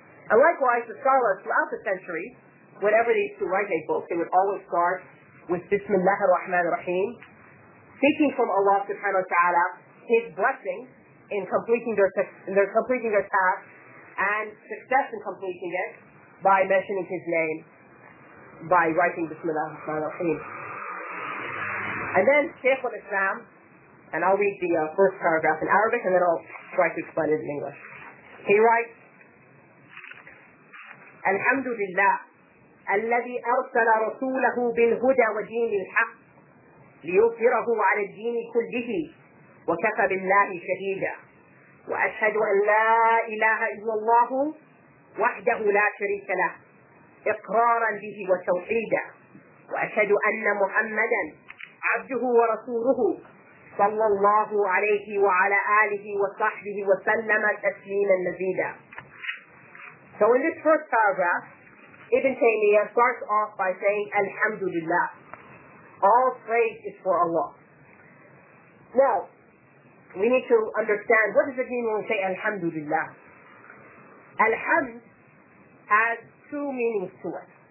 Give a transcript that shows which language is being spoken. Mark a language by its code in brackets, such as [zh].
[en] And likewise, the scholars throughout the centuries, whenever they used to write a book, they would always start with Bismillah ar-Rahman ar-Rahim, seeking from Allah subhanahu wa ta'ala his blessing in completing their task, and success in completing it by mentioning his name, by writing Bismillah ar-Rahman ar-Rahim. And then Shaykh al-Islam, and I'll read the first paragraph in Arabic and then I'll try to explain it in English. He writes, [ar] Alhamdulillah, الذي أرسل رسوله بالهدى ودين الحق ليظهره على الدين كله وكفى بالله شهيدا وأشهد أن لا إله إلا الله وحده لا شريك له إقرارا به وتوحيدا وأشهد أن محمدا عبده ورسوله صلى الله عليه وعلى آله وصحبه وسلم تسليما مزيدا. [en] So in this first paragraph, Ibn Taymiyyah starts off by saying, Alhamdulillah. All praise is for Allah. Now, we need to understand, what does it mean when we say Alhamdulillah? Alhamd has two meanings to it.